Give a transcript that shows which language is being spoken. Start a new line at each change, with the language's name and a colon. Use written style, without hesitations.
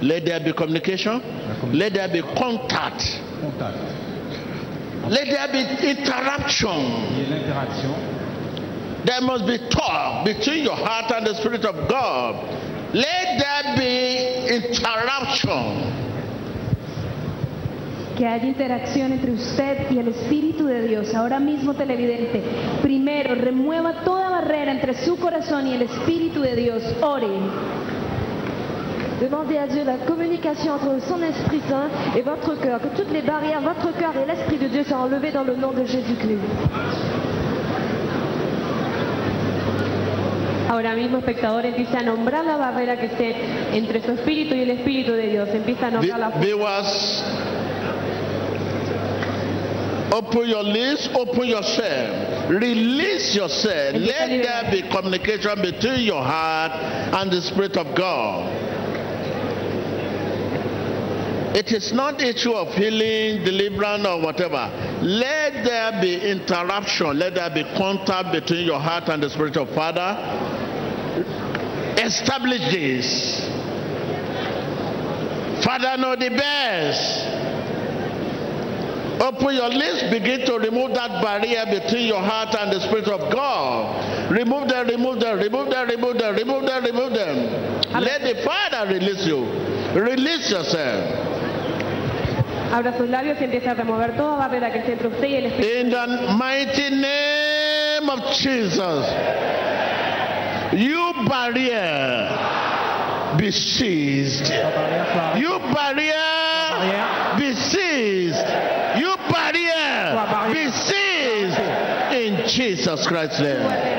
English: Let there be communication. Let there be contact. Let there be interaction. There must be talk between your heart and the Spirit of God. Let there be interruption.
Spanish: Que haya interacción entre usted y el Espíritu de Dios. Ahora mismo, televidente, primero, remueva toda barrera entre su corazón y el Espíritu de Dios. Ore.
French: Demandez à Dieu la communication entre son Esprit Saint et votre cœur. Que toutes les barrières, votre cœur et l'Esprit de Dieu soient enlevées dans le nom de Jésus-Christ.
Spanish: Ahora mismo, espectador, empieza a nombrar la barrera que esté entre su espíritu y el espíritu de Dios. Empieza a nombrar la barrera.
English: Open your lips, open yourself, release yourself. Let there be communication between your heart and the Spirit of God. It is not issue of healing, deliverance, or whatever. Let there be interruption. Let there be contact between your heart and the Spirit of Father. Establish this. Father know the best. Open your lips. Begin to remove that barrier between your heart and the Spirit of God. Remove them, remove them, remove them, remove them, remove them, remove them. Let the Father release you. Release yourself.
Spanish: Abra sus labios y empieza a remover toda barrera que esté entre usted y el Espíritu.
English: In the mighty name of Jesus, you barrier be seized. You barrier be seized. You barrier be seized in Jesus Christ's name.